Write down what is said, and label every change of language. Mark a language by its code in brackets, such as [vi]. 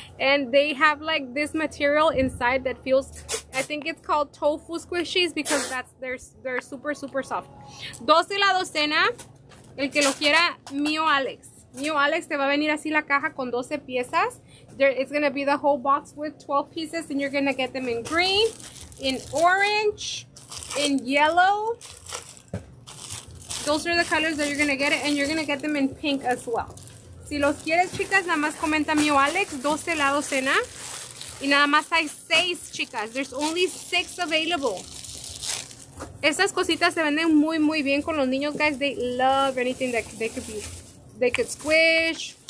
[en] And they have like this material inside that feels, I think it's called tofu squishies because that's they're super, super soft. [es] 12 la docena. El que lo quiera, mío, Alex. Mío, Alex, te va a venir así la caja con 12 piezas. [en] It's going to be the whole box with 12 pieces and you're going to get them in green, in orange, in yellow. Those are the colors that you're going to get it, and you're going to get them in pink as well. [es] Si los quieres, chicas, nada más comenta mío, Alex, 12 la docena. Y nada más hay 6, chicas. [en] There's only 6 available. [es] Estas cositas se venden muy, muy bien con los niños, [en] guys. They love anything that they could squish.